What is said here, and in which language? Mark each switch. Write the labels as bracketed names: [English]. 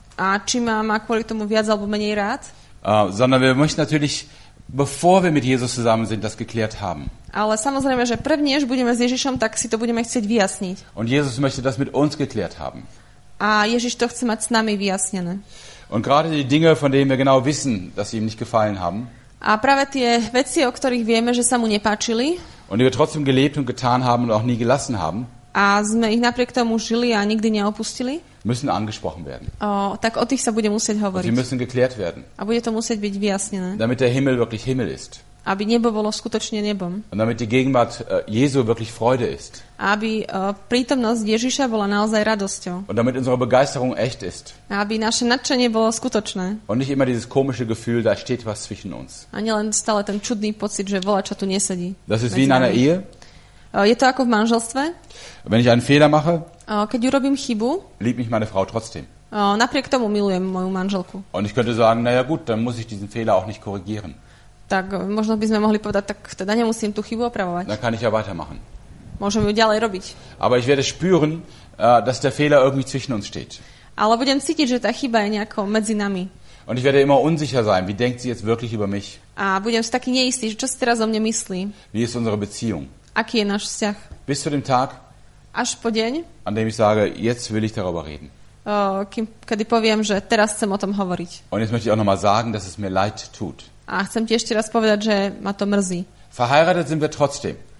[Slovak] A či ma má kvôli tomu viac alebo menej rád. [German] Sondern wir möchten natürlich, bevor wir mit Jesus zusammen sind, das geklärt haben. [Slovak] Ale samozrejme, že prvne, než budeme s Ježišom, tak si to budeme chcieť vyjasniť. [German] Und Jesus möchte das mit uns geklärt haben. [Slovak] A Ježiš to chce mať s nami vyjasnené. [German] Und gerade die Dinge, von denen wir genau wissen, dass sie ihm nicht gefallen haben. [Slovak] A práve tie veci, o ktorých vieme, že sa mu nepáčili. [German] Und die wir trotzdem gelebt und getan haben und auch nie gelassen haben. [Slovak] A sme ich napriek tomu žili a nikdy neopustili. [German] Müssen angesprochen werden. [Slovak] Tak o tých sa bude musieť hovoriť. [German] Sie müssen geklärt werden. [Slovak] A bude to musieť byť vyjasnené. [German] Damit der Himmel wirklich Himmel ist. [Slovak] Aby nebo bolo skutočne nebom. [German] Und damit die Gegenwart Jesu wirklich Freude ist. [Slovak] Aby prítomnosť Ježiša bola naozaj radosťou. [German] Und damit unsere Begeisterung echt ist. [Slovak] Aby naše nadšenie bolo skutočné. [German] Und nicht immer dieses komische Gefühl, da steht was zwischen uns. [Slovak] A nielen stále ten čudný pocit, že volá, čo tu nesedí. [German] Das ist wie in einer Ehe. [Slovak] Je to ako v manželstve. [German] Wenn ich einen Fehler mache, [Slovak] keď urobím chybu, [German] liebt mich meine Frau trotzdem. [Slovak] Napriek tomu milujem moju manželku. [German] Und ich könnte sagen, naja gut, dann muss ich diesen Fehler auch nicht korrigieren. [Slovak] Tak možno by sme mohli povedať, tak teda nemusím tú chybu opravovať. [German] Dann kann ich ja weitermachen. [Slovak] Môžem ju ďalej robiť. [German] Aber ich werde spüren, dass der Fehler irgendwie zwischen uns steht. [Slovak] Ale budem cítiť, že tá chyba je nejako medzi nami. [German] Und ich werde immer unsicher sein, wie denkt sie jetzt wirklich über mich? [Slovak] A budem si taký neistý, čo si teraz o mne myslí. [German] Wie ist unsere Beziehung? [Slovak] Aký je náš vzťah? [German] Bis zu dem Tag, [Slovak] až po deň, [German] an dem ich sage, jetzt will ich darüber reden. [Slovak] Kedy poviem, že teraz chcem o tom hovoriť. [German] Und jetzt möchte ich auch noch mal sagen, dass es mir leid tut. [Slovak] A chcem ti ešte raz povedať, že ma to mrzí. [German] Verheiratet sind wir trotzdem.